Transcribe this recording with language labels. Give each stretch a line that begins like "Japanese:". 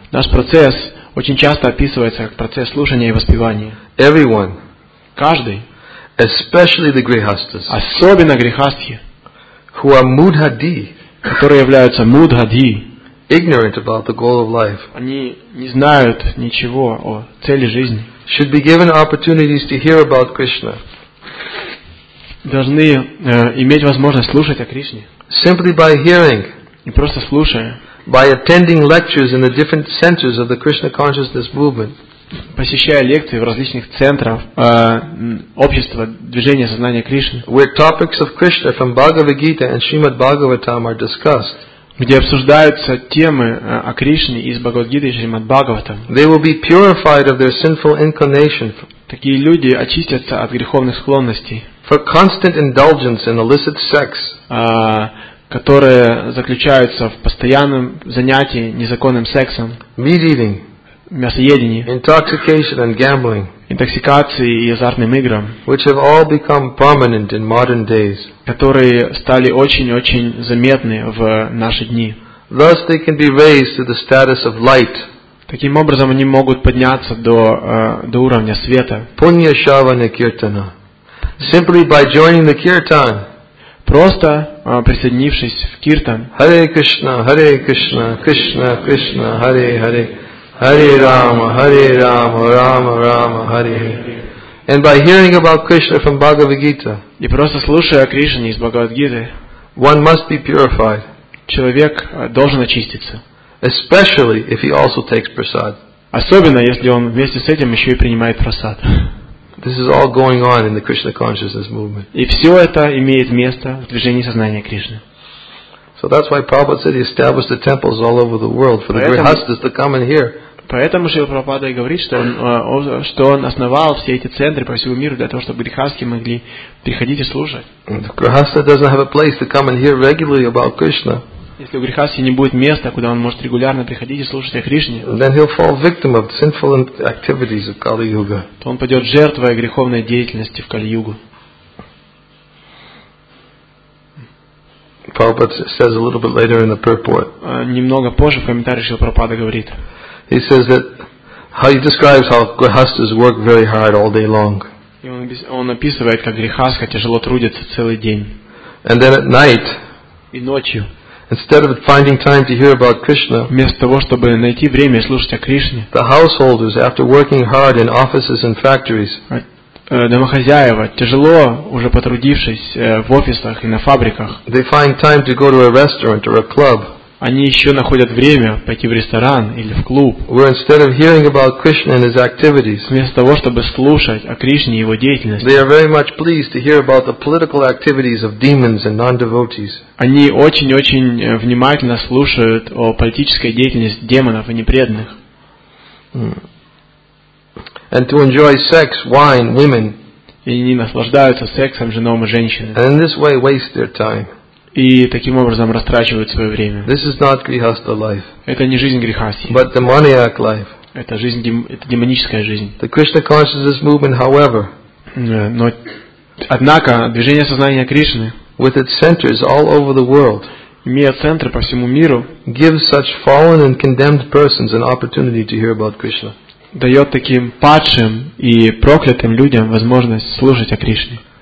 Russian: Наш процесс очень часто описывается как процесс слушания и воспевания.
English: Everyone.
Russian: Каждый.
English: Especially the grihasthas.
Russian: Особенно грехастхи.
English: Who are mudhadi.
Russian: Которые являются mudhadi.
English: Ignorant about the goal of life.
Russian: Они не знают ничего о цели жизни.
English: Should be given opportunities to hear about Krishna.
Russian: Должны иметь возможность слушать о Кришне.
English: Simply by hearing.
Russian: И просто слушая.
English: By attending lectures in the different centers of the Krishna consciousness movement.
Russian: Посещая лекции в различных центрах общества движения сознания Кришны.
English: Where topics of Krishna from Bhagavad Gita and Srimad Bhagavatam are discussed.
Russian: Где обсуждаются темы о Кришне из Бхагавад-гиты и Шримад Бхагаватам.
English: They will be purified of their sinful inclination.
Russian: Такие люди очистятся от греховных склонностей.
English: For constant indulgence in illicit sex.
Russian: Которые заключаются в постоянном занятии незаконным сексом.
English: Meat eating.
Russian: Мясоедение.
English: Intoxication and gambling.
Russian: Интоксикации и азартным играм.
English: Which have all become prominent in modern days.
Russian: Которые стали очень-очень заметны в наши дни.
English: Thus they can be raised to the status of light.
Russian: Таким образом они могут подняться до уровня света.
Sanskrit: Пунья шравана киртана.
English: Simply by joining the kirtan.
Russian: Просто присоединившись в киртан.
Sanskrit: Харе Кришна, Кришна, Кришна, Харе Харе. Hare Rama, Rama Rama, Hare.
English: And by hearing about Krishna from Bhagavad Gita,
Russian: и просто слушая о Кришне из Бхагавад Гиты,
English: one must be purified.
Russian: Человек должен очиститься.
English: Especially if he also takes prasad.
Russian: Особенно если он вместе с этим еще и принимает прасад.
English: This is all going on in the Krishna consciousness movement.
Russian: И все это имеет место в движении сознания Кришны.
English: So that's why Prabhupada said he established the temples all over the world for the grihasthas to come and hear.
Russian: Поэтому Шрила Прабхупада и говорит, что он основал все эти центры по всему миру для того, чтобы грихасхи могли приходить и слушать.
English: Grihastha doesn't have a place to come and hear regularly about Krishna.
Russian: Если у грихасхи не будет места, куда он может регулярно приходить и слушать о Кришне,
English: then he'll fall victim of sinful activities of Kali Yuga.
Russian: То он падет жертвой греховной деятельности в Кали-Югу.
English: Prabhupada says a little bit later in the purport.
Russian: Немного позже в комментарии Шрила Прабхупада говорит.
English: He says that how he describes how grihasthas work very hard all day long.
Russian: И он описывает, как грихастха тяжело трудится целый день.
English: And then at night.
Russian: И ночью.
English: Instead of finding time to hear about Krishna.
Russian: Вместо того, чтобы найти время слушать о Кришне.
English: The householders, after working hard in offices and factories.
Russian: Домохозяева, тяжело уже потрудившись в офисах и на фабриках,
English: they find time to go to a restaurant or a club,
Russian: они еще находят время пойти в ресторан или в клуб,
English: where instead of hearing about Krishna and his activities,
Russian: вместо того, чтобы слушать о Кришне и его деятельности,
English: they are very much pleased to hear about the political activities of demons and non-devotees.
Russian: Они очень-очень внимательно слушают о политической деятельности демонов и непреданных.
English: And to enjoy sex, wine, women.
Russian: И они наслаждаются сексом, женой и женщиной.
English: And in this way waste their time.
Russian: И таким образом растрачивают свое время.
English: This is not grihastha life.
Russian: Это не жизнь грехасти.
English: But demoniac life.
Russian: Это жизнь, это демоническая жизнь.
English: The Krishna consciousness movement, however.
Russian: Но, однако, движение сознания Кришны.
English: With its centers all over the world.
Russian: Имея центры по всему миру.
English: Gives such fallen and condemned persons an opportunity to hear about Krishna.
Russian: Дает таким падшим и проклятым людям возможность служить о Кришне.